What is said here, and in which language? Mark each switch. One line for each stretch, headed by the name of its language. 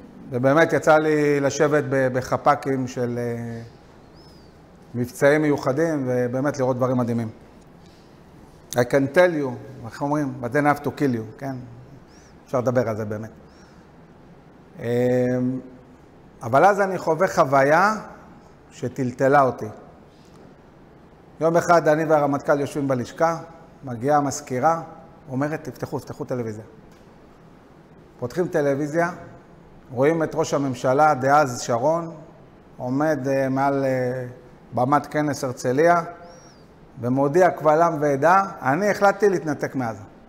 Hebrew: ובאמת יצא לי לשבת בחפקים של מבצעים מיוחדים ובאמת לראות דברים מדהימים.
English: I can tell you,
Hebrew: איך אומרים?
English: But then I have to kill you, כן?
Hebrew: אפשר לדבר על זה באמת. אבל אז אני חווה חוויה שטלטלה אותי. יום אחד אני והרמטכ"ל יושבים בלשכה, מגיעה המזכירה, אומרת, תפתחו טלוויזיה. פותחים טלוויזיה, רואים את ראש הממשלה דאז שרון, עומד מעל במת כנס הרצליה, ומודיע קבל עם ועדה, אני החלטתי להתנתק מעזה.